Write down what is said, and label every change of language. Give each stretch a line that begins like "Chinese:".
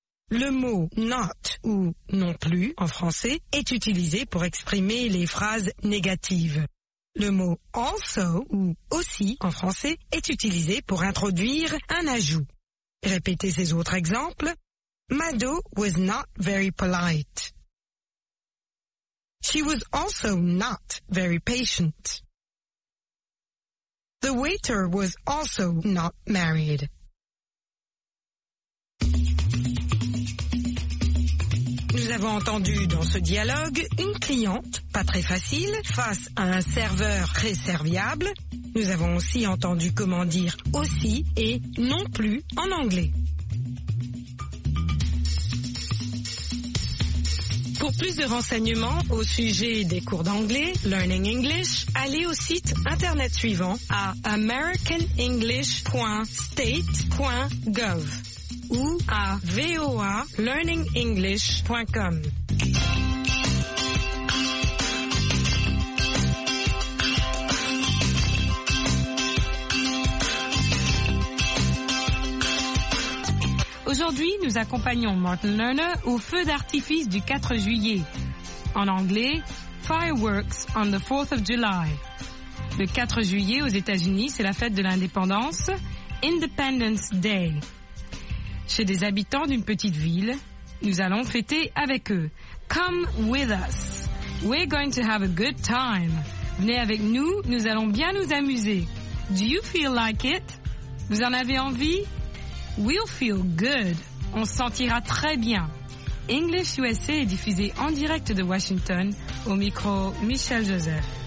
French: Le mot « not » ou « non plus » en français est utilisé pour exprimer les phrases négatives. Le mot « also » ou « aussi » en français est utilisé pour introduire un ajout. Répétez ces autres exemples.
English: Mado was not very polite. She was also not very patient. The waiter was also not married.
French: Nous avons entendu dans ce dialogue une cliente, pas très facile, face à un serveur très serviable. Nous avons aussi entendu comment dire « aussi » et « non plus » en anglais. Pour plus de renseignements au sujet des cours d'anglais, Learning English, allez au site internet suivant à americanenglish.state.gov ou à voalearningenglish.com. Aujourd'hui, nous accompagnons Martin Lerner au feu d'artifice du 4 juillet. En anglais,
English: Fireworks on the 4th of July.
French: Le 4 juillet aux États-Unis, c'est la fête de l'indépendance, Independence Day. Chez des habitants d'une petite ville, nous allons fêter avec eux.
English: Come with us. We're going to have a good time.
French: Venez avec nous, nous allons bien nous amuser.
English: Do you feel like it?
French: Vous en avez envie?
English: We'll feel good.
French: On se sentira très bien. English USA est diffusé en direct de Washington au micro Michel Joseph.